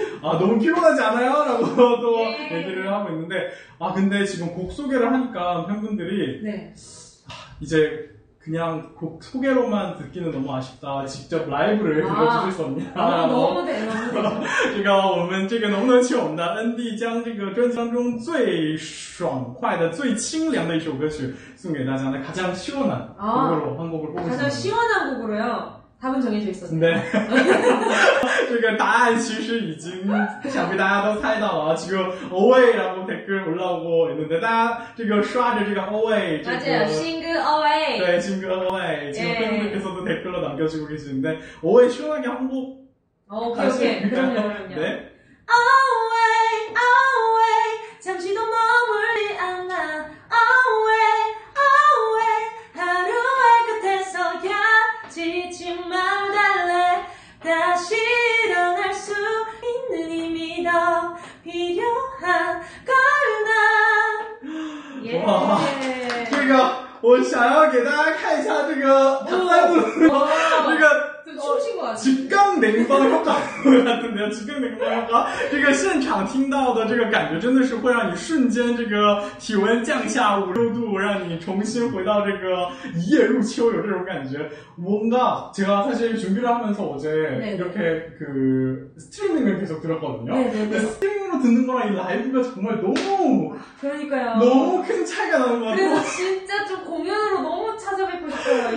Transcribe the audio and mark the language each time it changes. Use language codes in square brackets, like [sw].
[ko] 아 너무 피곤하지 않아요? 라고 또 얘기를 하고 있는데 아 근데 지금 곡 소개를 하니까 팬분들이 네. 아, 이제 그냥 곡 소개로만 듣기는 너무 아쉽다. 직접 라이브를 불러주실 수 없냐? 아, 너무 대단해. 제가 오늘 이게 너무너무 좋습니다. [zh] ND 将这个专辑当中最爽快的最清凉的一首歌曲送给大家. [ko] 가장 시원한 곡으로 한 곡을 뽑으셨습니다. 가장 시원한 곡으로요. 답은 정해져 있었어요. 네. 제가 [zh] 答案其实已经想必大家都猜到了. [ko] 지금 OA라고 댓글 올라오고 있는데 [zh] 大家这个刷着这个 [ko] OA 맞아요. 신규 OA 네, 신규 OA 지금 팬분들께서도 댓글로 남겨주고 계시는데 OA 시원하게 한 곡 갈 수 있을까요? 네. OA, OA 잠시도 머물지 않아 OA, OA 하루의 끝에서 지치지 말래 다시 일어날 수 있는 힘이 더 필요한 걸 난 제가 [zh] 我想要给大家看一下这个大赛度这个 [ko] 직감냉방효과같은데요직감냉방효과 [zh] 这个现场听到的这个感觉真的是会让你瞬间这个体温降下5-6度让你重新回到这个一夜入秋有这种感觉 [ko] 뭔가 제가 사실 준비를 하면서 어제 네네. 이렇게 그 스트리밍을 계속 들었거든요. 네네네. 스트리밍으로 듣는 거랑 이 라이브가 정말 너무 그러니까요. 너무 큰 차이가 나는 것 같아요. 그래서 진짜 좀 공연으로 너무 찾아뵙고 싶어요.